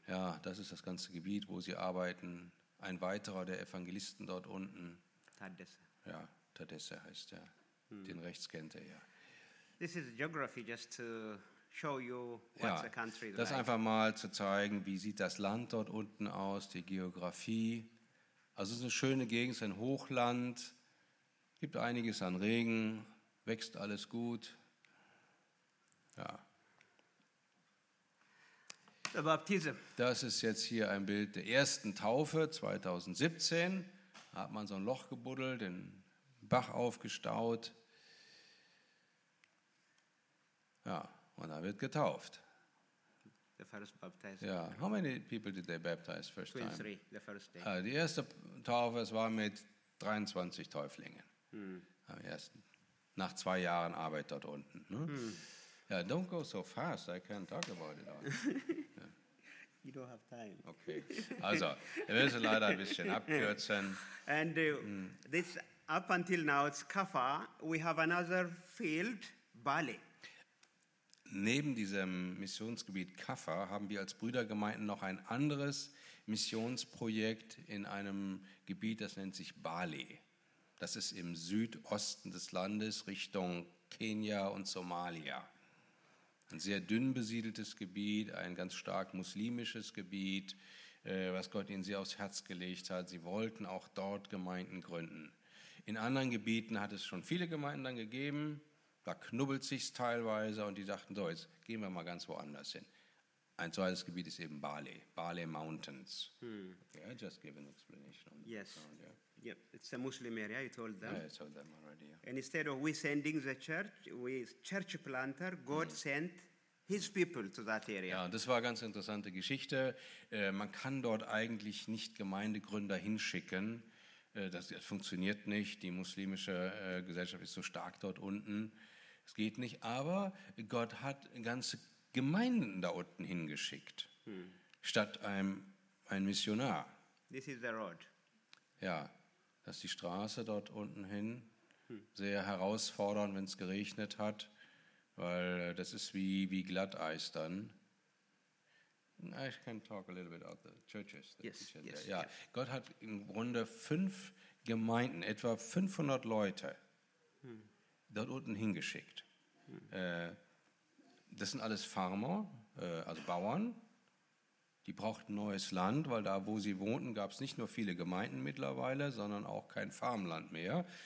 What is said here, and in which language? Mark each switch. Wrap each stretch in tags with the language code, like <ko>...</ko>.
<de>Ja, das ist das ganze Gebiet, wo sie arbeiten. Ein weiterer der Evangelisten dort unten. Tadesse. Ja, Tadesse heißt er. Den rechts kennt er ja.</de> <en>This is geography just to show you what</en> <de>ja,</de> <en>the country is</en> <de>das</de> <en>like.</en> <de>Einfach mal zu zeigen, wie sieht das Land dort unten aus, die Geografie. Also es ist eine schöne Gegend, es ist ein Hochland, gibt einiges an Regen, wächst alles gut. Ja.</de> <en>The baptism.</en> <de>Das ist jetzt hier ein Bild der ersten Taufe 2017. Hat man so ein Loch gebuddelt, den Bach aufgestaut. Ja, und da wird getauft.</de> <en>The first baptized. Ja, how many people did they baptize first time? 23, the first day.</en> <de>Die erste Taufe, es war mit 23 Täuflinge. Hm. Am ersten. Nach 2 Jahren Arbeit dort unten. Ne? Hm.</de> <en>Yeah, don't go so fast, I can't talk about it all. Yeah. You don't have time. Okay.</en> <de>Also, wir müssen leider ein bisschen abkürzen.</de> <en>And this up until now it's Kaffa. We have another field, Bali.</en> <de>Neben diesem Missionsgebiet Kaffa haben wir als Brüdergemeinden noch ein anderes Missionsprojekt in einem Gebiet, das nennt sich Bali. Das ist im Südosten des Landes Richtung Kenia und Somalia. Ein sehr dünn besiedeltes Gebiet, ein ganz stark muslimisches Gebiet, was Gott ihnen sehr aufs Herz gelegt hat. Sie wollten auch dort Gemeinden gründen. In anderen Gebieten hat es schon viele Gemeinden dann gegeben. Da knubbelt sich's teilweise und die dachten, so, jetzt gehen wir mal ganz woanders hin. Ein zweites Gebiet ist eben Bali, Bali Mountains. Hmm.</de> <en>Yeah, I just gave an explanation. On yes. Sound, yeah. Yeah, it's a Muslim area, you told them. Yeah, I told them already. Yeah. And instead of we sending the church, we church planter, God sent his people to that area.</en> <de>Ja, das war eine ganz interessante Geschichte. Man kann dort eigentlich nicht Gemeindegründer hinschicken. Das funktioniert nicht. Die muslimische Gesellschaft ist so stark dort unten. Es geht nicht. Aber Gott hat ganze Gemeinden da unten hingeschickt, statt ein Missionar.</de> <en>This is the road.</en> <de>Ja, das ist die Straße dort unten hin. Sehr herausfordernd, wenn es geregnet hat, weil das ist wie Glatteis dann.</de> <en>I can talk a little bit about the churches.</en> <de>Gott hat im Grunde 5 Gemeinden, etwa 500 Leute dort unten hingeschickt. Das sind alles Farmer, also Bauern. Die brauchten neues Land, weil da, wo sie wohnten, gab es nicht nur viele Gemeinden mittlerweile, sondern auch kein Farmland mehr.</de>